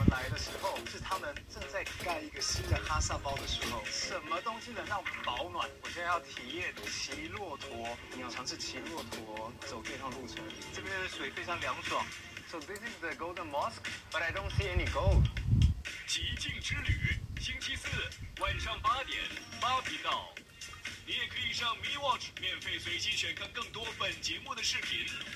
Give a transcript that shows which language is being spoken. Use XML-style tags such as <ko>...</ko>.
<zh>的时候是他们正在盖一个新的哈萨包的时候，什么东西能让我们保暖？我现在要体验骑骆驼，你要尝试骑骆驼走这趟路程。这边的水非常凉爽。</zh> <en>So this is the Golden Mosque, but I don't see any gold.</en> <zh>极境之旅，星期四晚上8:00八频道，你也可以上 Me Watch 免费随心选看更多本节目的视频。</zh>